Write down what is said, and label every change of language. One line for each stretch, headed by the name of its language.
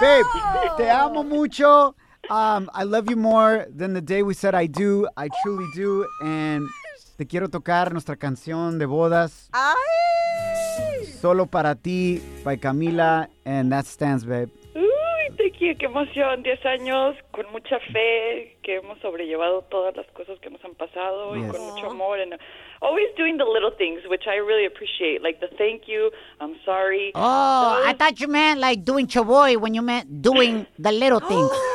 Spanish: Babe, te amo mucho.
English: I love you more than the day we said I do. I truly do. And
Spanish: te quiero tocar nuestra canción de bodas. Ay.
English: Solo para ti, by Camila, and that stands, babe.
Spanish: Uy, te quiero, qué emoción. 10 años, con mucha fe, que hemos sobrellevado todas las cosas que nos han pasado,
English: yes.
Spanish: Y con mucho amor.
English: And always doing the little things, which I really appreciate, like the thank you, I'm sorry. Oh, I thought you meant like doing Chaboy when you meant doing the little things.